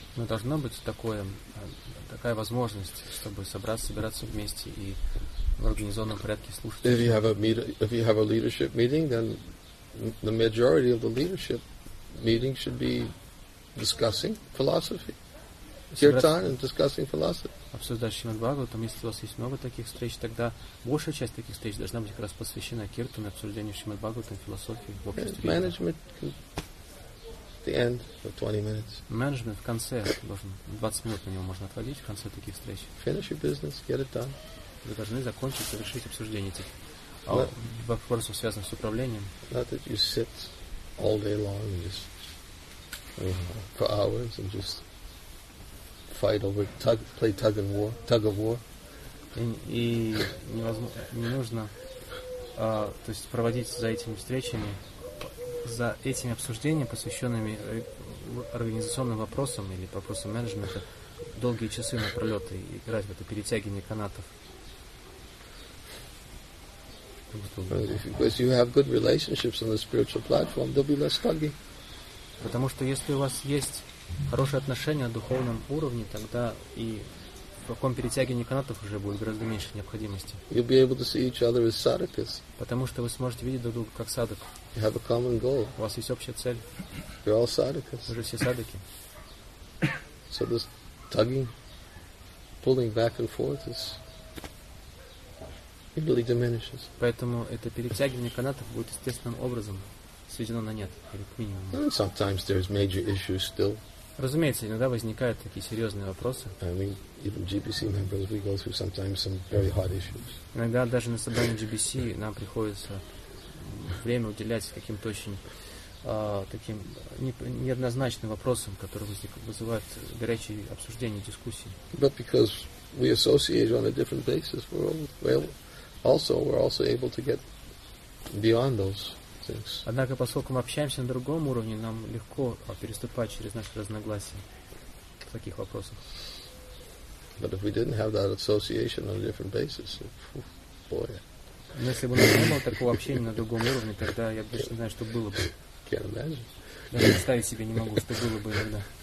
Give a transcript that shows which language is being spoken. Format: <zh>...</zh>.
<ru>Но должно быть такое, такая возможность, чтобы собираться вместе и в организованном порядке слушать.</ru> <en>If you have a leadership meeting, then the majority of the leadership meeting should be discussing philosophy. Kirtan and discussing philosophy.</en> <ru>Обсуждать Шримад Бхагаватам, если у вас есть много таких встреч, тогда большая часть таких встреч должна быть как раз посвящена киртану, обсуждению Шримад Бхагаватам, философии в обществе.</ru> <en>Yes, management the end of 20 minutes.</en> <ru>Management в конце должен 20 минут на него можно отводить в конце таких встреч.</ru> <en>Finish your business, get it done.</en> <ru>Вы должны закончить, завершить обсуждение этих вопросов, связанных с управлением.</ru> <en>Not that you sit all day long and just for hours and just fight over tug of war.</en> <ru>И невозможно, не нужно, то есть проводить за этими встречами, за этими обсуждениями, посвященными организационным вопросам или вопросам менеджмента, долгие часы напролет и играть в это перетягивание канатов.</ru> <en>Because you have good relationships on the spiritual platform, there'll be less tugging.</en> <ru>Потому что если у вас есть хорошее отношение на духовном уровне, тогда и в таком перетягивании канатов уже будет гораздо меньше необходимости.</ru> <en>You'll be able to see each other as sadhakas.</en> <ru>Потому что вы сможете видеть друг друга как садок.</ru> <en>You have a common goal.</en> <ru>У вас есть общая цель.</ru> <en>You're all sadhakas.</en> <ru>Вы же все садоки.</ru> <en>So this tugging, pulling back and forth is it really diminishes.</en> <ru>Поэтому это перетягивание канатов будет естественным образом сведено на нет, или к минимуму.</ru> <en>And sometimes there's major issues still.</en> <ru>Разумеется, иногда возникают такие серьезные вопросы.</ru> <en>I mean, even GBC members, we go through sometimes some very hard issues.</en> <ru>Иногда даже на собрании GBC нам приходится время уделять каким-то очень таким неоднозначным вопросам, которые вызывают горячие обсуждения, дискуссии.</ru> <en>But because we associate on a different basis, we're also able to get beyond those.</en> <ru>Однако, поскольку мы общаемся на другом уровне, нам легко переступать через наши разногласия в таких вопросах.</ru> <en>But if we didn't have that association on a different basis, boy.</en> <ru>Но если бы у нас не было такого общения на другом уровне, тогда я бы не знаю, что было бы.</ru> <en>Can't imagine.</en> <ru>Даже представить себе не могу, что было бы иногда.</ru>